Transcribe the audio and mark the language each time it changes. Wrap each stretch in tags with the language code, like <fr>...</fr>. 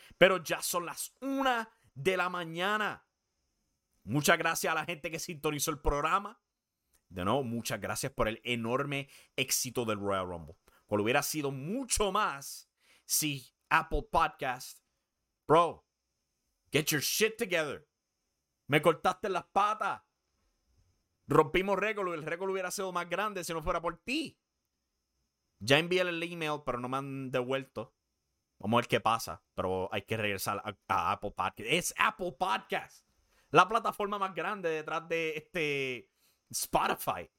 <es>Pero ya son las 1:00 a.m. Muchas gracias a la gente que sintonizó el programa. De nuevo, muchas gracias por el enorme éxito del Royal Rumble. Cual hubiera sido mucho más si Apple Podcast.</es> <en>Bro, get your shit together.</en> <es>Me cortaste las patas. Rompimos récord. El récord hubiera sido más grande si no fuera por ti. Ya envié el email, pero no me han devuelto. Vamos a ver qué pasa. Pero hay que regresar a Apple Podcast. Es Apple Podcast, la plataforma más grande detrás de este Spotify.</es>